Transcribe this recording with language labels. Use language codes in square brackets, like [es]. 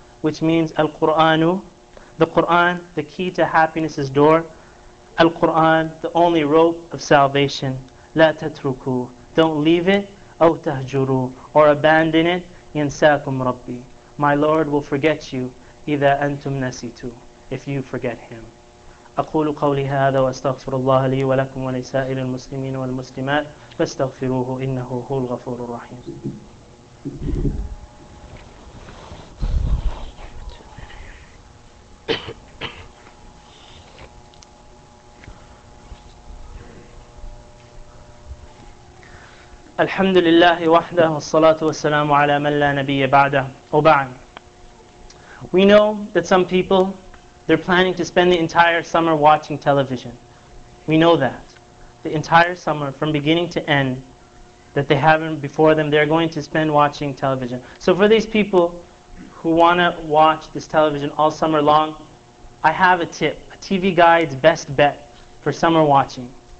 [en] Which means Al-Quran, the Qur'an, the key to happiness's door. Al-Qur'an, the only rope of salvation. [ar] لا تتركوا, [en] don't leave it. [ar] أو تهجروا, [en] or abandon it. [ar] ينساكم ربي, [en] my Lord will forget you. [ar] إذا أنتم نسيتوا, [en] if you forget Him. [ar] أقول قولي هذا وأستغفر الله لي ولكم ولسائر المسلمين والمسلمات فاستغفروه إنه هو الغفور الرحيم. الحمد لله وحده والصلاة والسلام على من لا نبي بعده وبعد. [en] We know that some people, they're planning to spend the entire summer watching television. We know that. the entire summer, from beginning to end, that they haven't before them, they're going to spend watching television. So for these people who want to watch this television all summer long, I have a tip, a TV guide's best bet for summer watching.